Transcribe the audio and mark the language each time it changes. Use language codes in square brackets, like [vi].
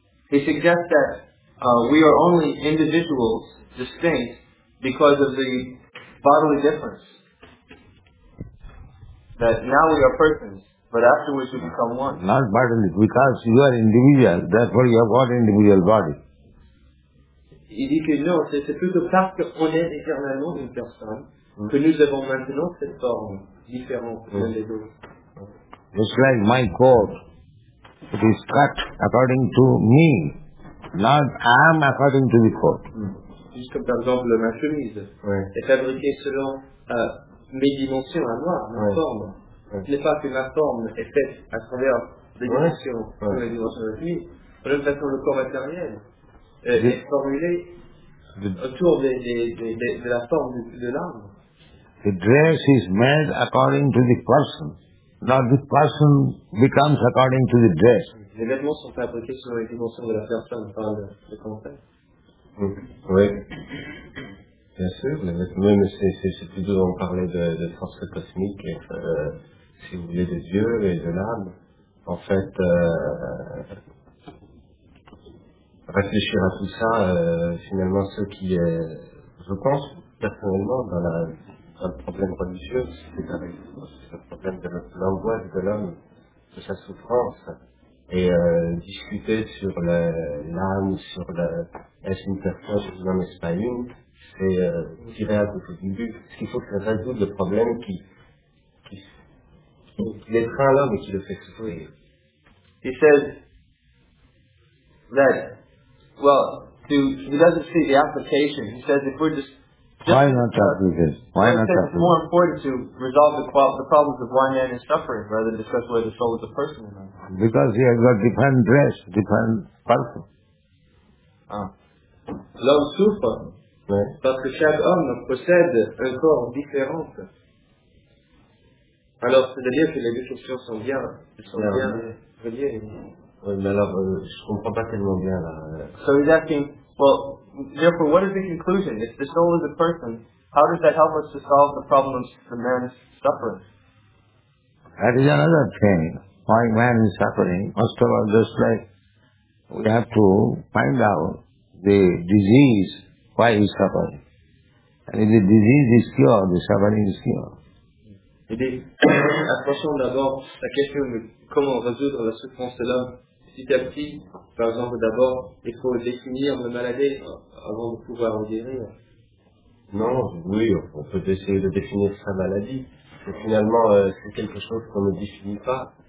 [en] He suggests that we are only individuals, distinct, because of the bodily difference. That now we are persons, but afterwards we become one. Not bodily, because you are individual, therefore you have got individual body. [fr] Il dit que non, c'est plutôt parce qu'on est éternellement une personne, que nous avons maintenant cette forme différente de l'un des autres. [en] Just like my code. It is cut according to me, not I am according to the court. [fr] Juste comme par exemple ma chemise est fabriquée selon mes dimensions à moi, ma forme. Ce n'est pas que ma forme est faite à travers les dimensions de la chemise, mais de toute façon le corps matériel est formulé autour de la forme de l'âme. [en] The dress is made according to the person. Now this person becomes according to the dress. [fr] Les vêtements sont fabriqués sur les dimensions de la personne, pas le contraire. Oui. Bien sûr, les vêtements, mais c'est plutôt on parlait de force cosmique, si vous voulez, de Dieu et de l'âme. En fait, réfléchir à tout ça, finalement, ce qui est, je pense, personnellement, dans la... un problème religieux, c'est un problème de l'angoisse de l'homme, de sa souffrance, et discuter sur l'âme, sur la est-ce une personne, est-ce l'âme, est-ce pas une, c'est tirer à côté du but. Ce qu'il faut, c'est résoudre le problème qui étreint l'homme et qui le fait souffrir. [en] He says that, well, he doesn't see the application. He says if we're just Why not talk? It's more important to resolve the problems of why man is suffering rather than discuss whether the soul is a person or not. Because he has got different dress, different person. [fr] L'homme souffre parce que chaque homme possède un corps différent. Alors c'est-à-dire que les deux fonctions sont bien reliées. Mais alors, je comprends pas tellement bien là. [en] So he's asking, well, therefore, what is the conclusion? If the soul is a person, how does that help us to solve the problems of man's suffering? That is another thing. Why man is suffering? First of all, just like we have to find out the disease, why he's suffering. And if the disease is cured, the suffering is cured. [fr] Et bien, approchons d'abord la question de comment résoudre la souffrance de l'homme. Petit à petit, par exemple, d'abord, il faut définir le malade avant de pouvoir le guérir. Non, oui, on peut essayer de définir sa maladie. Mais finalement, c'est quelque chose qu'on ne définit pas.